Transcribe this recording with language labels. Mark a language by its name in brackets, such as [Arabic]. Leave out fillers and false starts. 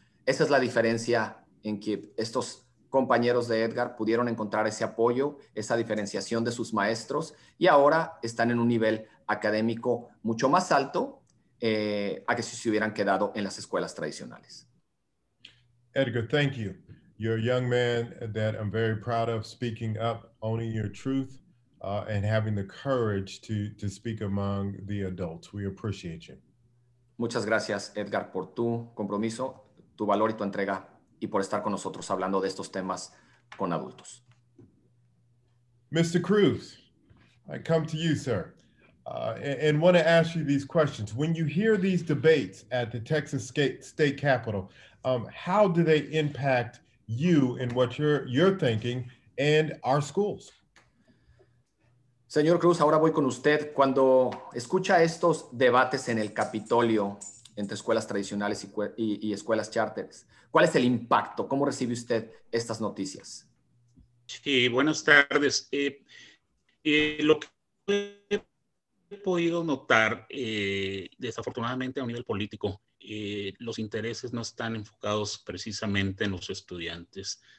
[Spanish] Esa es la diferencia en que estos compañeros de Edgar pudieron encontrar ese apoyo, esa diferenciación de sus maestros, y ahora están en un nivel académico mucho más alto a que si se hubieran quedado en las escuelas tradicionales. [English] Edgar, thank you. You're a young man that I'm very proud of, speaking up, owning your truth. And having the courage to speak among the adults. We appreciate you. [Spanish] Muchas gracias, Edgar, por tu compromiso, tu valor y tu entrega, y por estar con nosotros hablando de estos temas con adultos. [English] Mr. Cruz, I come to you, sir, and want to ask you these questions. When you hear these debates at the Texas State Capitol, how do they impact you and what you're thinking and our schools? [Spanish] Señor Cruz, ahora voy con usted. Cuando escucha estos debates en el Capitolio entre escuelas tradicionales y escuelas charters, ¿cuál es el impacto? ¿Cómo recibe usted estas noticias? Sí, buenas tardes. Lo que he podido notar, desafortunadamente a nivel político, los intereses no están enfocados precisamente en los estudiantes.